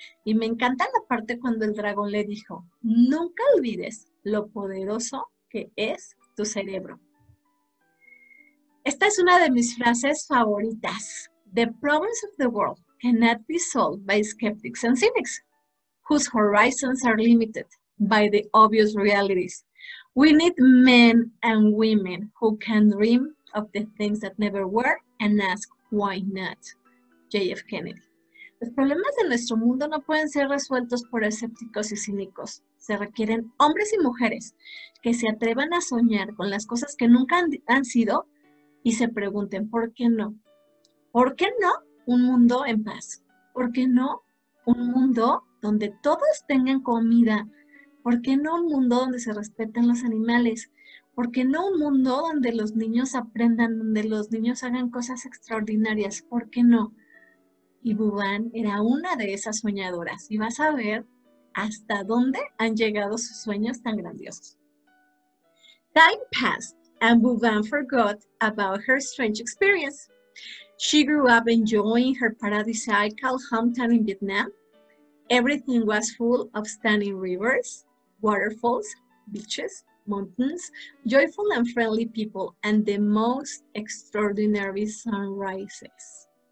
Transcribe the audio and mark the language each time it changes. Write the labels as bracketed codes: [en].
[es] Y me encanta la parte cuando el dragón le dijo, nunca olvides lo poderoso que es tu cerebro. Esta es una de mis frases favoritas. [en] The problems of the world cannot be solved by skeptics and cynics, whose horizons are limited by the obvious realities. We need men and women who can dream of the things that never were and ask, why not? JF Kennedy. [es] Los problemas de nuestro mundo no pueden ser resueltos por escépticos y cínicos. Se requieren hombres y mujeres que se atrevan a soñar con las cosas que nunca han sido y se pregunten, ¿por qué no? ¿Por qué no un mundo en paz? ¿Por qué no un mundo donde todos tengan comida? ¿Por qué no un mundo donde se respeten los animales? ¿Por qué no un mundo donde los niños aprendan, donde los niños hagan cosas extraordinarias? ¿Por qué no? Y Wuban era una de esas soñadoras. Y vas a ver hasta dónde han llegado sus sueños tan grandiosos. [en] Time passed and Wuban forgot about her strange experience. She grew up enjoying her paradisiacal hometown in Vietnam. Everything was full of stunning rivers, waterfalls, beaches, mountains, joyful and friendly people, and the most extraordinary sunrises.